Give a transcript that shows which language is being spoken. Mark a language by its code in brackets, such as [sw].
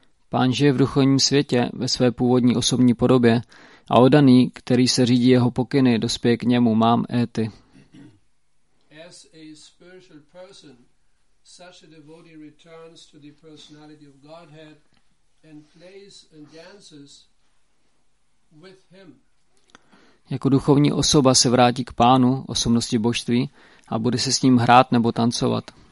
[cs] Pán žije v duchovním světě ve své původní osobní podobě a oddaný, který se řídí jeho pokyny, dospěje k němu, [sa] mam eti. [en] As a spiritual person, such a devotee returns to the personality of Godhead and plays and dances with him. [cs] Jako duchovní osoba se vrátí k pánu, osobnosti božství, a bude se s ním hrát nebo tancovat.